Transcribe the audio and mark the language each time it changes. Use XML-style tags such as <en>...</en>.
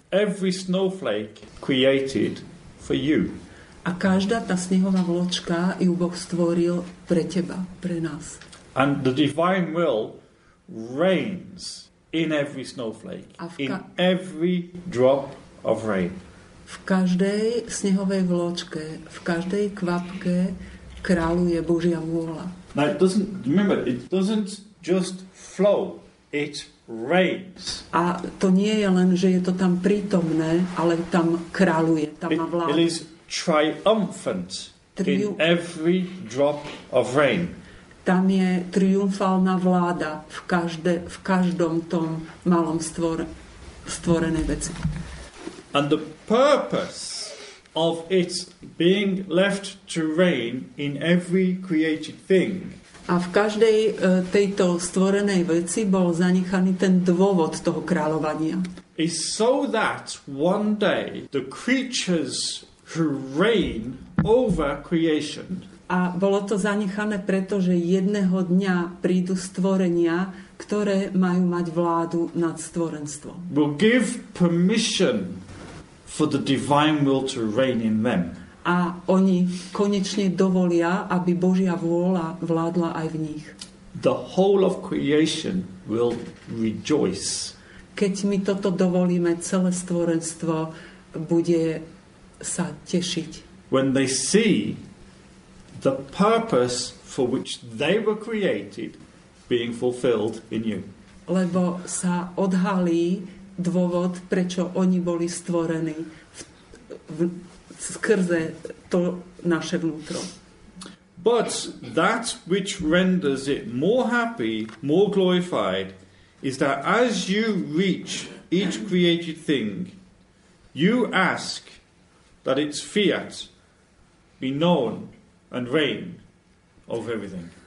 <en>Every snowflake created for you.</en> <sk>A každá tá snehová vločka ju Boh stvoril pre teba, pre nás.</sk> <en>And the divine will reigns in every snowflake, in every drop of rain.</en> <sk>V každej snehovej vločke, v každej kvapke kráľuje Božia vôľa.</sk> <en>Now it doesn't, remember, it doesn't just flow, it rains.</en> <sk>A to nie je len, že je to tam prítomné, ale tam kráľuje, tam</sk> <en>it,</en> <sk>má vládu.</sk> <en>It is triumphant in every drop of rain.</en> <sk>Tam je triumfálna vláda v každom tom malom stvorenej veci.</sk> <en>And the purpose of its being left to reign in every created thing.</en> <sk>A v každej tejto stvorenej veci bol zanechaný ten dôvod toho kráľovania.</sk> <en>Is so that one day the creatures who reign over creation.</en> <sk>A bolo to zanechané preto, že jedného dňa prídu stvorenia, ktoré majú mať vládu nad stvorenstvom.</sk> <en>Will give permission for the divine will to reign in them.</en> <sk>A oni konečne dovolia, aby Božia vôľa vládla aj v nich.</sk> <en>The whole of creation will rejoice.</en> <sk>Keď my toto dovolíme, celé stvorenstvo bude sa tešiť.</sk> <en>When they see the purpose for which they were created being fulfilled in you.</en> <sk>Lebo sa odhalí dôvod, prečo oni boli stvorení skrze to naše vnútro.</sk> <en>But that which renders it more happy, more glorified, is that as you reach each created thing, you ask that its fiat be known and reign over everything.</en>